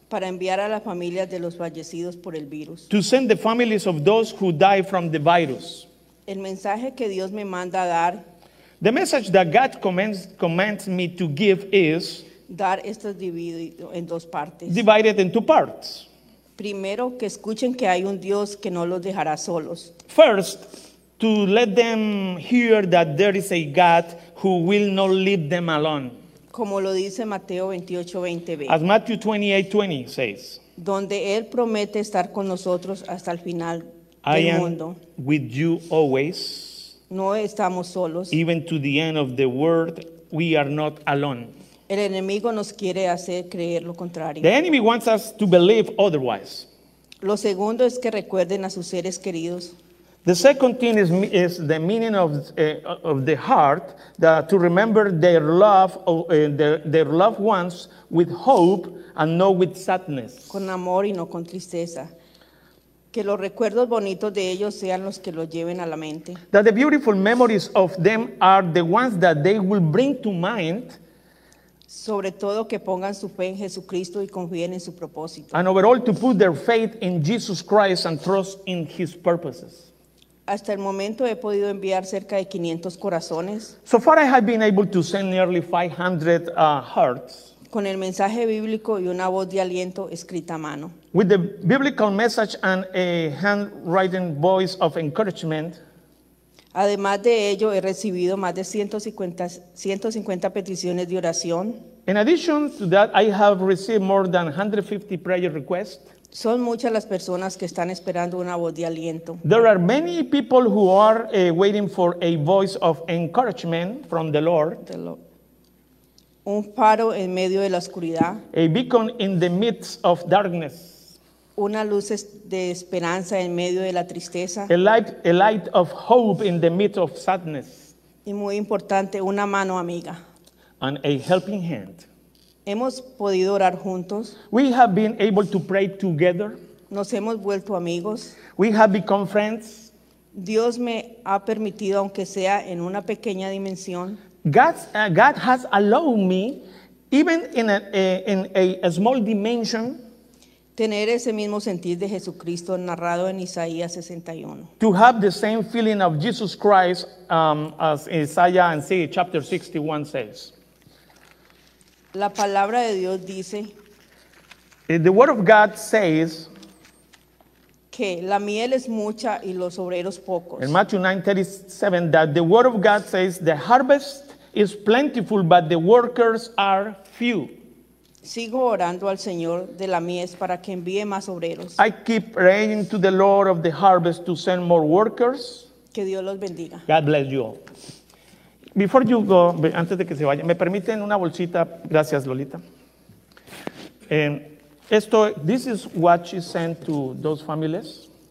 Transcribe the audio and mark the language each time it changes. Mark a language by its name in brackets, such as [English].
[Spanish] Para enviar a las familias de los fallecidos por el virus. [English] To send the families of those who die from the virus. [Spanish] El mensaje que Dios me manda a dar. [English] The message that God commands me to give is. [Spanish] Dar esto dividido en dos partes. [English] Divided in two parts. [Spanish] Primero, que escuchen que hay un Dios que no los dejará solos. [English] First, to let them hear that there is a God who will not leave them alone. [Spanish] Como lo dice Mateo 28:20b. [English] As Matthew 28:20 says. [Spanish] Donde él promete estar con nosotros hasta el final del mundo. [English] I am with you always. [Spanish] No estamos solos. [English] Even to the end of the world, we are not alone. [Spanish] El enemigo nos quiere hacer creer lo contrario. [English] The enemy wants us to believe otherwise. [Spanish] Lo segundo es que recuerden a sus seres queridos. [English] The second thing is the meaning of the heart, that to remember their love, their loved ones with hope and not with sadness. [Spanish] Con amor y no con tristeza. Que los recuerdos bonitos de ellos sean los que los lleven a la mente. [English] That the beautiful memories of them are the ones that they will bring to mind. [Spanish] Sobre todo que pongan su fe en Jesucristo y confíen en su propósito. [English] And overall to put their faith in Jesus Christ and trust in his purposes. [Spanish] Hasta el momento he podido enviar cerca de 500 corazones. [English] So far I have been able to send nearly 500 hearts. [Spanish] Con el mensaje bíblico y una voz de aliento escrita a mano. [English] With the biblical message and a handwritten voice of encouragement. [Spanish] Además de ello he recibido más de 150 peticiones de oración. [English] In addition to that I have received more than 150 prayer requests. [Spanish] Son muchas las personas que están esperando una voz de aliento. [English] There are many people who are waiting for a voice of encouragement from the Lord. [Spanish] Un faro en medio de la oscuridad. [English] A beacon in the midst of darkness. [Spanish] Una luz de esperanza en medio de la tristeza. [English] A light of hope in the midst of sadness. [Spanish] Y muy importante, una mano amiga. [English] And a helping hand. [Spanish] Hemos podido orar juntos. [English] We have been able to pray together. [Spanish] Nos hemos vuelto amigos. [English] We have become friends. [Spanish] Dios me ha permitido, aunque sea en una pequeña dimensión. [English] God has allowed me, even in a small dimension, [Spanish] tener ese mismo sentir de Jesucristo narrado en Isaías 61. [English] To have the same feeling of Jesus Christ as Isaiah and see chapter 61 says. [Spanish] La palabra de Dios dice. [English] The word of God says. [Spanish] Que la miel es mucha y los obreros pocos. [English] In Matthew 9:37, that the word of God says the harvest is plentiful, but the workers are few. [Spanish] Sigo orando al Señor de la mies para que envíe más obreros. [English] I keep praying to the Lord of the harvest to send more workers. [Spanish] Que Dios los bendiga. [English] God bless you all. Before you go, [Spanish] antes de que se vaya, me permiten una bolsita. Gracias, Lolita. [English] This is what she sent to those families.